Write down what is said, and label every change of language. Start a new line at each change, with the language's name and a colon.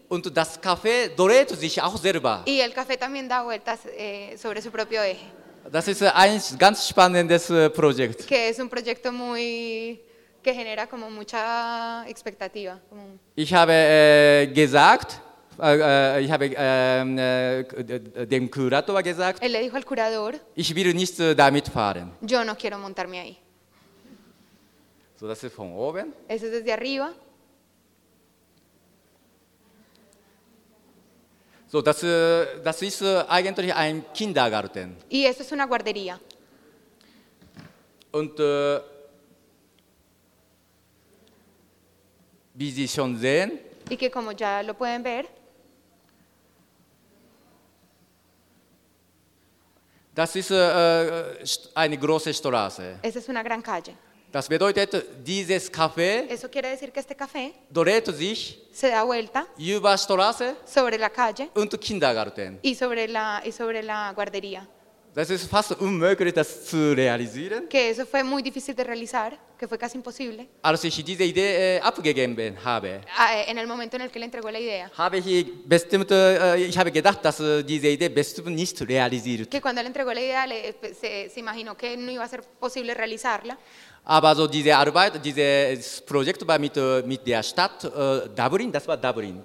German: Und das Kaffee dreht sich auch selber.
Spanish: Y el café también da vueltas sobre su propio eje.
German: Das ist ein ganz spannendes Projekt.
Spanish: Que es un proyecto muy que genera como mucha expectativa. Como...
German: Ich habe gesagt, ich habe dem Kurator gesagt,
Spanish: él le dijo al curador,
German: ich will nicht damit fahren.
Spanish: Yo no quiero montarme ahí.
German: So, das ist von oben.
Spanish: Eso es desde arriba.
German: So, das ist eigentlich ein Kindergarten.
Spanish: Y eso es una guardería.
German: Und wie Sie schon sehen,
Spanish: y que como ya lo pueden ver,
German: das ist eine große Straße.
Spanish: Es
German: ist
Spanish: una gran calle.
German: Das bedeutet, dieses Café,
Spanish: eso quiere decir que este Café
German: dreht sich,
Spanish: se da vuelta,
German: über Straße,
Spanish: sobre la calle,
German: und Kindergarten.
Spanish: Y sobre la guardería.
German: Das ist fast unmöglich, das zu realisieren.
Spanish: Que eso fue muy difícil de realizar, que fue casi imposible.
German: Als ich diese Idee abgegeben habe,
Spanish: en el momento en el que le entregó la idea,
German: habe ich bestimmt, ich habe gedacht, dass diese Idee bestimmt nicht realisiert.
Spanish: Que cuando le entregó la idea, se imaginó que no iba a ser posible realizarla.
German: Aber so diese Arbeit, dieses Projekt war mit der Stadt Dublin, das war Dublin.